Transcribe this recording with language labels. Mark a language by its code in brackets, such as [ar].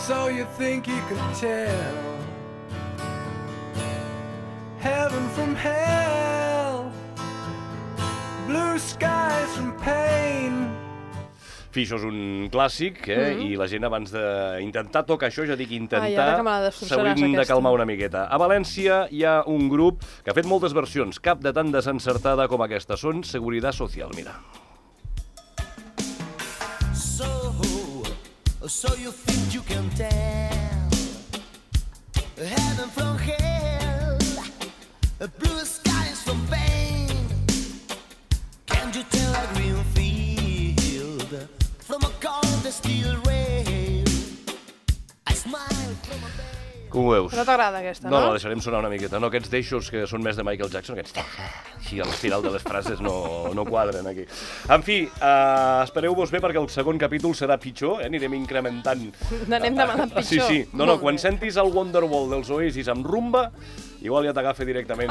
[en] you think you could tell heaven from hell, blue skies from pain. [ca] Fi, això és un clàssic, eh? I la gent abans d'intentar tocar això, ja dic intentar, s'hauríem de calmar una miqueta. A València hi ha un grup que ha fet moltes versions, cap de tan desencertada com aquesta. Són Seguridad Social, mira. [en] So, so you think you can tell heaven from hell, blue skies from pain. Can you tell a green field from a cold steel rail? I smile from a bay. [ca] Com ho veus? No t'agrada aquesta, no? No, la deixarem sonar una miqueta. No, aquests deixos que són més de Michael Jackson, aquests... Així, a l'espiral de les frases no quadren aquí. En fi, espereu-vos bé perquè el segon capítol serà pitjor, eh? Anirem incrementant. Anem demanant pitjor. Sí, sí. No, no, quan sentis el Wonderwall dels Oasis amb rumba, igual ja t'agafa directament...